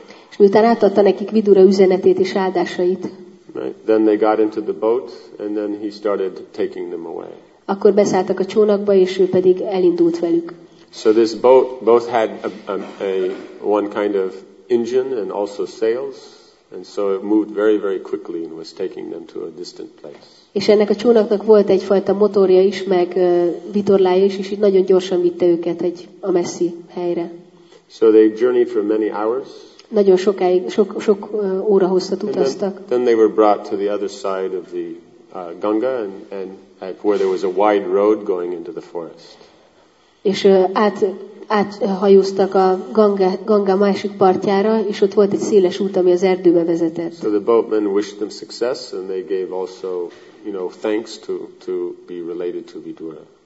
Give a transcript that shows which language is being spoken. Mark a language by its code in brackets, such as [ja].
[hu] És miután átadta nekik Vidura üzenetét és áldásait. [en] Right. Then they got into the boat and then he started taking them away. [hu] Akkor beszálltak a csónakba és ő pedig elindult velük. [en] So this boat both had a one kind of engine and also sails. And so it moved very, very quickly and was taking them to a distant place. [hu] És ennek a csónaknak volt egyfajta motorja is, meg vitorlája is, és így nagyon gyorsan vitte őket egy a messzi helyre. [en] So they journeyed for many hours. [hu] Nagyon sokáig, sok óra hosszat utaztak. [en] Then they were brought to the other side of the Ganga, and at where there was a wide road going into the forest. [hu] És áthajóztak a Ganga másik partjára, és ott volt egy széles út, ami az erdőbe vezetett. [en] So the boatmen wished them success, and they gave also, you know, thanks to be related to Vidura.